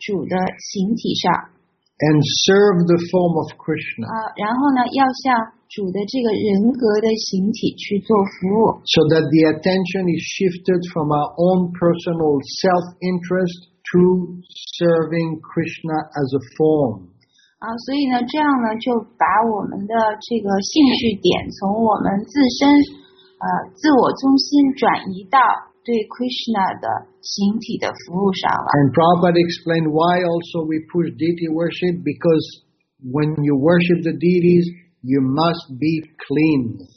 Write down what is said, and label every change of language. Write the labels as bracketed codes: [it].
[zh] 但是对于我们来说，我们可以简化到只是去设立一个神坛，甚至上面放的呢，也就是照片。但是我们要把我们的注意力专注在主的形体上。 [en] And serve the form of Krishna. [zh] 然后呢，要向 [en] So that the attention is shifted from our own personal self-interest to serving Krishna as a form. [zh] 所以呢，这样呢，就把我们的这个兴趣点从我们自身自我中心转移到对 Krishna 的形体的服务上了。 [en] And Prabhupada explained why also we push deity worship, because when you worship the deities, you must be clean.